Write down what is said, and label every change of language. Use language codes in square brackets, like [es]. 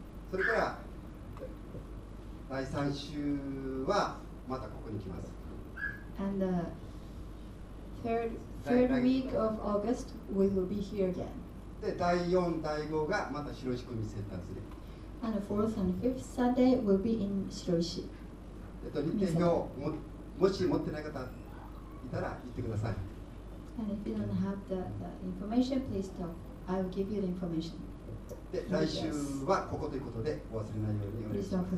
[ja] それから第3週はまたここに来ます。 [en] And the third week of August, we will be here again. [ja] で、第4、第5がまた白石区民センターですね。 [en] And the 4th and 5th Sunday will be in 白石。 [ja] 日程表、もし持ってない方いたら言ってください。 [en] And if you don't have the information, please talk. I will give you the information. [ja] で、来週はここということで、お忘れないようにお願いします。